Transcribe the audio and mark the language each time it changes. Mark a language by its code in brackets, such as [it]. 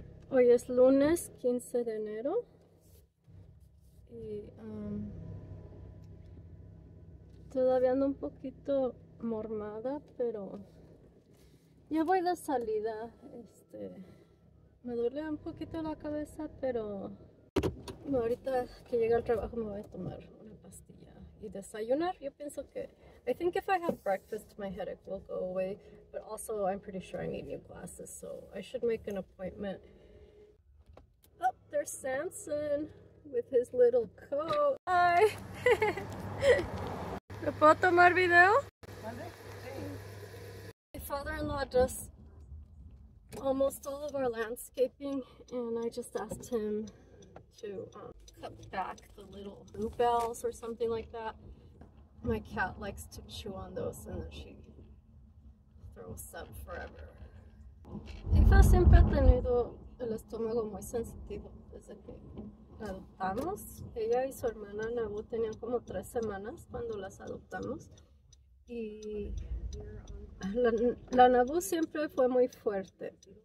[es] Hoy es lunes 15 de enero y todavía ando un poquito mormada, pero ya voy de salida. Me duele un poquito la cabeza, pero ahorita que llegue al trabajo me voy a tomar una pastilla y desayunar. Yo pienso que, [en] I think if I have breakfast, my headache will go away, but also I'm pretty sure I need new glasses, so I should make an appointment. There's Samson with his little coat. Hi. [es] ¿Me puedo tomar video? [en] My father-in-law does almost all of our landscaping, and I just asked him to cut back the little bluebells or something like that. My cat likes to chew on those, and then she throws up forever. [es] Fifa siempre ha tenido el estómago muy sensitivo desde que la adoptamos. Ella y su hermana Nabu tenían como 3 semanas cuando las adoptamos. Y la Nabu siempre fue muy fuerte.